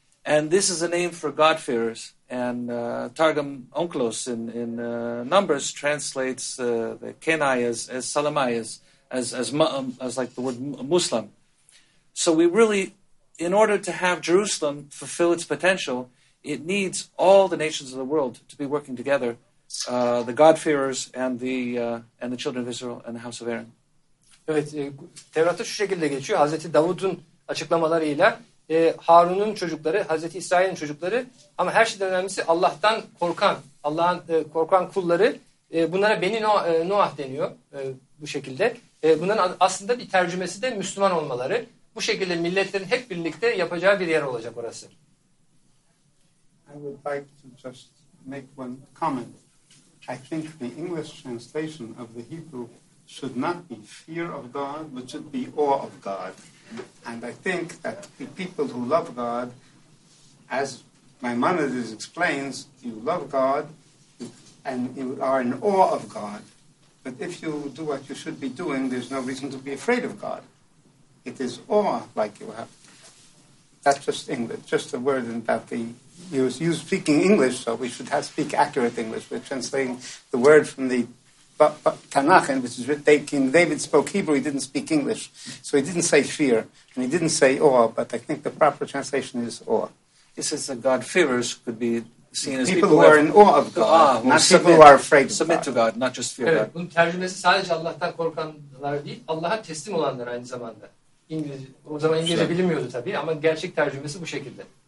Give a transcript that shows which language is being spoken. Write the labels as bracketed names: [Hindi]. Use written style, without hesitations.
[English] And this is a name for God-fearers. And Targum Onklos in Numbers translates the Kenai as Salamai, as like the word Muslim. So we really, in order to have Jerusalem fulfill its potential, it needs all the nations of the world to be working together, the God-fearers and the children of Israel and the house of Aaron. [Turkish] Evet, Tevrat'ta şu şekilde geçiyor. Hazreti Davud'un açıklamalarıyla Harun'un çocukları, Hazreti İsrail'in çocukları ama her şeyden önemlisi Allah'tan korkan, Allah'ın korkan kulları. Bunlara Beni Noah deniyor bu şekilde. Bunların aslında bir tercümesi de Müslüman olmaları. Bu şekilde milletlerin hep birlikte yapacağı bir yer olacak orası. [English] I would like to just make one comment. I think the English translation of the Hebrew should not be fear of God, but should be awe of God. And I think that the people who love God, as Maimonides explains, you love God and you are in awe of God. But if you do what you should be doing, there's no reason to be afraid of God. It is awe like you have. That's just English, just a word in that the you're speaking English, so we should have speak accurate English. We're translating the word from the Tanakh, which is written, King David spoke Hebrew, he didn't speak English. So he didn't say fear, and he didn't say awe, but I think the proper translation is awe. He says that God-fearers could be seen as people who are in awe of God, not submit, people who are afraid of God. Submit to God, not just fear [Turkish] evet, [English] God. [Turkish] Bunun tercümesi sadece Allah'tan korkanlar değil, Allah'a teslim olanlar aynı zamanda. İngilizce, o zaman İngilizce bilinmiyordu tabii ama gerçek tercümesi bu şekilde.